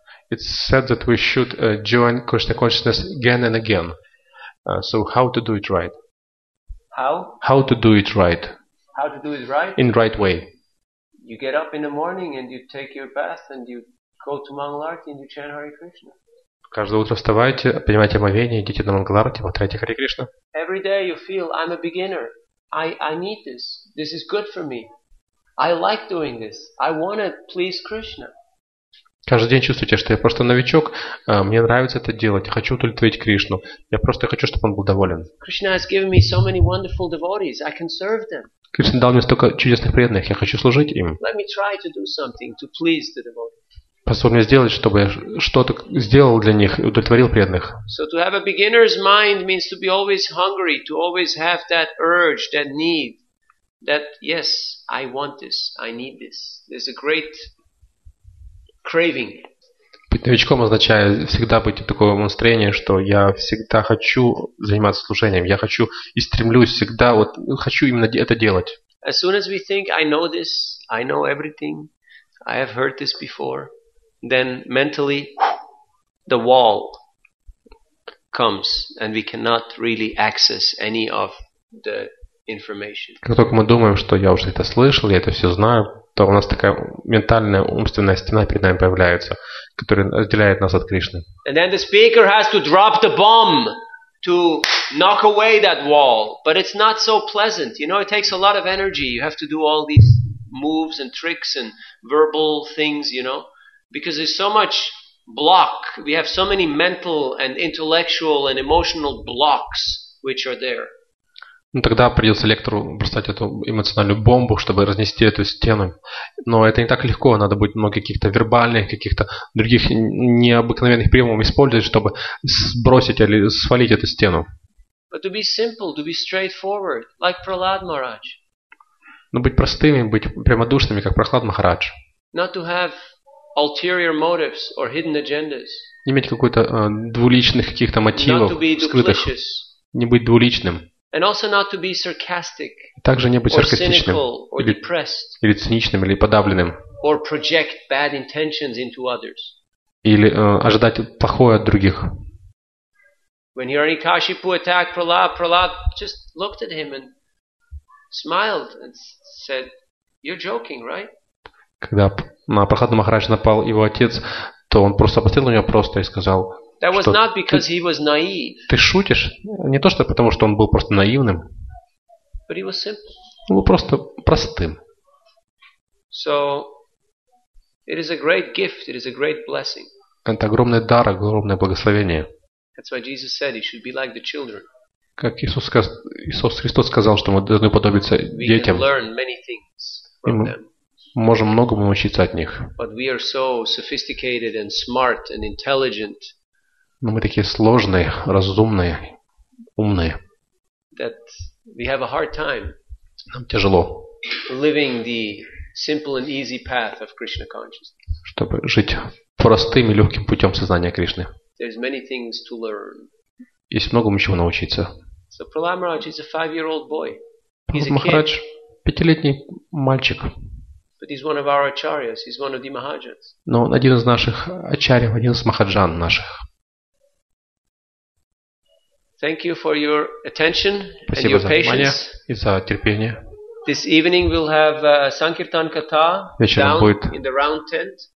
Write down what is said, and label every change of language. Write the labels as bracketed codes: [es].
[en] It's said that we should join Krishna consciousness again and again. So how to do it right? How? How to do it right? How to do it right? In right way. You get up in the morning and you take your bath and you go to Mangalarti and you chant Hare Krishna. [ru] Каждое утро вставайте, принимайте омовение, идите на Мангаларти, повторяйте Харе Кришна. [en] Every day you feel I'm a beginner. I need this. This is good for me. I like doing this. I want to please Krishna. [ru] Каждый день чувствуете, что я просто новичок. Мне нравится это делать. Хочу удовлетворить Кришну. Я просто хочу, чтобы он был доволен. [en] Krishna has given me so many wonderful devotees. I can serve them. [ru] Кришна дал мне столько чудесных преданных. Я хочу служить им. [en] Let me try to do something to please the devotees. [ru] Позволь мне сделать, чтобы я что-то сделал для них и удовлетворил преданных. [en] So to have a beginner's mind means to be always hungry, to always have that urge, that need, that yes, I want this, I need this. There's a great craving. [ru] Быть новичком означает всегда быть в таком настроении, что я всегда хочу заниматься служением, я хочу и стремлюсь всегда, вот хочу именно это делать. [en] As soon as we think, I know this, I know everything, I have heard this before, then mentally the wall comes and we cannot really access any of the information. [ru] Как только мы думаем, что я уже это слышал, я это все знаю, то у нас такая ментальная, умственная стена перед нами появляется, которая отделяет нас от Кришны. [en] And then the speaker has to drop the bomb to knock away that wall. But it's not so pleasant. You know, it takes a lot of energy. You have to do all these moves and tricks and verbal things, you know. Because there's so much block, we have so many mental and intellectual and emotional blocks, which are there. [ru] Ну тогда придется лектору бросать эту эмоциональную бомбу, чтобы разнести эту стену. Но это не так легко, надо будет много каких-то вербальных, каких-то других необыкновенных приемов использовать, чтобы сбросить или свалить эту стену. [en] But to be simple, to be straightforward, like Prahlad Maharaj. [ru] Но быть простыми, быть прямодушными, как Прахлад Махарадж. [en] Not to have ulterior motives or hidden agendas. [ru] Не иметь какой-то двуличных каких-то мотивов, скрытых. Не быть двуличным. [en] And also not to be sarcastic. [ru] Также не быть саркастичным, или циничным, или подавленным. [en] Or project bad intentions into others. [ru] Или ожидать плохое от других. [en] When Hiranyakashipu attacked Prahlad, Prahlad just looked at him and smiled and said, "You're joking, right?" [ru] Когда на Прахладу Махараджа напал его отец, то он просто посмотрел на него просто и сказал, [en] that was not because he was naive. [ru] Ты шутишь? Не то, что потому, что он был просто наивным. [en] But he was simple. [ru] Он был просто простым. [en] So, it is a great gift, it is a great blessing. [ru] Это огромный дар, огромное благословение. [en] That's why Jesus said he should be like the children. [ru] Как Иисус Христос сказал, что мы должны уподобиться детям. [en] We can learn many things from them. [ru] Мы можем многому научиться от них. [en] But we are so sophisticated and smart and intelligent. [ru] Но мы такие сложные, разумные, умные. [en] That we have a hard time. [ru] Нам тяжело. [en] Living the simple and easy path of Krishna consciousness. [ru] Чтобы жить простым и легким путем сознания Кришны. [en] There's many things to learn. [ru] Есть многому чего научиться. [en] So Prahlad Maharaj is a 5-year-old boy. He's a kid. [ru] Prahlad Maharaj 5-летний мальчик. [en] But he's one of our acharyas. He's one of the mahajans. [ru] Но он один из наших ачарьев, один из махаджан наших. [en] Thank you for your attention and your patience. [ru] Спасибо за внимание и за терпение. [en] This evening we'll have a sankirtan katha down in the round tent.